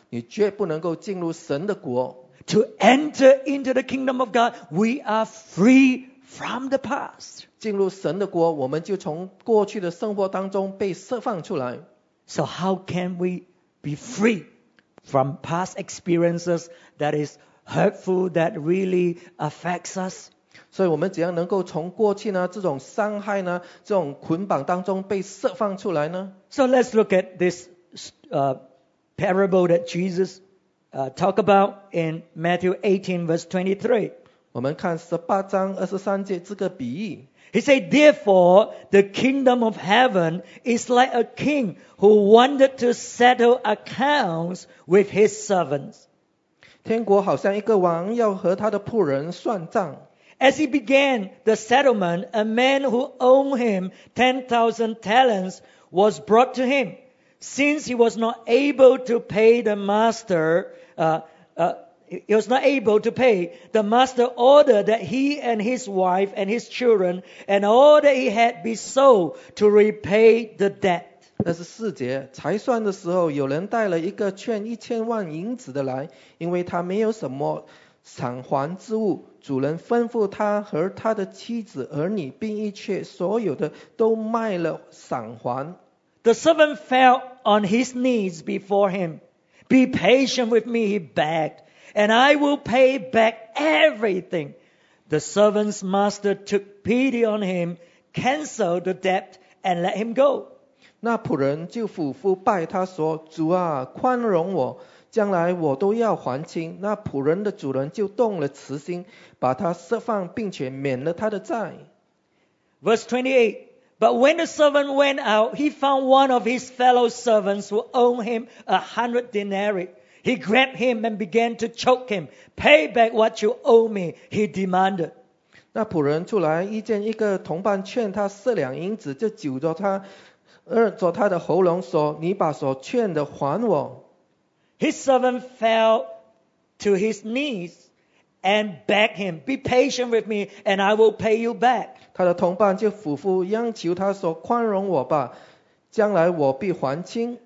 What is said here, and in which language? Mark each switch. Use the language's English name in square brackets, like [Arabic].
[Chinese] 你绝不能够进入神的国。 [English] To enter into the kingdom of God, we are free from the past. [Chinese] 进入神的国，我们就从过去的生活当中被释放出来。 [English] So how can we be free from past experiences that is hurtful, that really affects us? [Chinese] 所以我们怎样能够从过去呢这种伤害呢这种捆绑当中被释放出来呢 [English] ？So let's look at this parable that Jesus talked about in Matthew 18 verse 23. [Chinese] 我们看十八章二十三节这个比喻。 [English] He said, "Therefore, the kingdom of heaven is like a king who wanted to settle accounts with his servants." [Chinese] 天国好像一个王要和他的仆人算账。 [English] As he began the settlement, a man who owed him 10,000 talents was brought to him. Since he was not able to pay the master, the master ordered that he and his wife and his children and all that he had be sold to repay the debt. [Chinese] 那是四节，财算的时候，有人带了一个欠一千万银子的来，因为他没有什么偿还之物。主人吩咐他和他的妻子、儿女，并一切所有的都卖了偿还。 [English] The servant fell on his knees before him. "Be patient with me," he begged, "and I will pay back everything." The servant's master took pity on him, canceled the debt, and let him go. [Chinese] 那仆人就俯伏拜他说，主啊，宽容我，将来我都要还清。那仆人的主人就动了慈心，把他释放，并且免了他的债。 [English] Verse 28. But when the servant went out, he found one of his fellow servants who owed him 100 denarii. He grabbed him and began to choke him. "Pay back what you owe me," he demanded. [Chinese] 那仆人出来，遇见一个同伴欠他4两银子，就揪着他。着他的喉咙说，你把所欠的还我。 [English] His servant fell to his knees and begged him, "Be patient with me and I will pay you back." [Chinese] 他的同伴就俯伏央求他说，宽容我吧，将来我必还清。